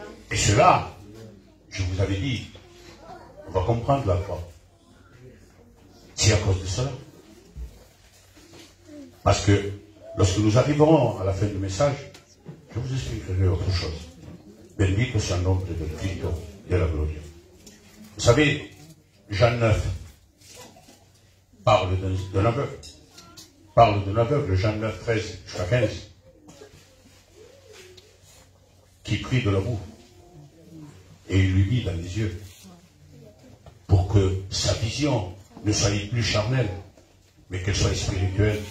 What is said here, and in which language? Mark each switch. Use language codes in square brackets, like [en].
[fr] Et cela, je vous avais dit, on va comprendre la foi. C'est à cause de cela. Parce que lorsque nous arriverons à la fin du message, je vous expliquerai autre chose. [es] Bendito sea el nombre del Cristo de la gloria. [fr] Vous savez, Jean 9 parle d'un aveugle. Parle d'un aveugle, Jean 9, 13 jusqu'à 15, qui prie de la boue. Et il lui dit dans les yeux, pour que sa vision ne soit plus charnelle, mais qu'elle soit spirituelle.